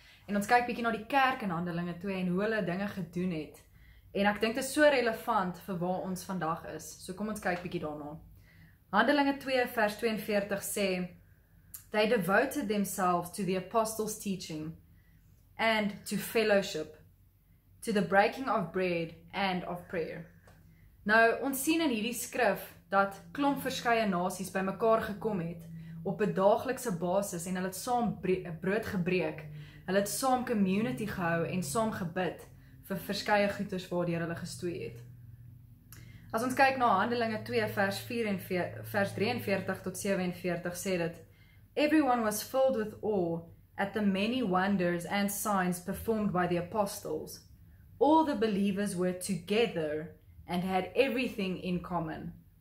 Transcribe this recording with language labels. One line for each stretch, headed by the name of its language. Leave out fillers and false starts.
Afrikaans: En ons kyk bietjie na die kerk in Handelinge 2 en hoe hulle dinge gedoen het. En ek dink dit is so relevant vir waar ons vandag is. So kom ons kyk bietjie daarna. Handelinge 2 vers 42 sê:
English: They devoted themselves to the apostles' teaching and to fellowship, to the breaking of bread and of prayer.
Afrikaans: Nou, ons sien in hierdie skrif dat klomp verskeie nasies by mekaar gekom het op 'n daaglikse basis en hulle het saam brood gebreek. Hulle het saam community gehou en saam gebid vir verskeie goeders waardeur hulle gestoei het. As ons kyk na Handelinge 2 vers 4 en vers 43 tot 47 sê dit:
English: Everyone was filled with awe at the many wonders and signs performed by the apostles. All the believers were together and had everything in common.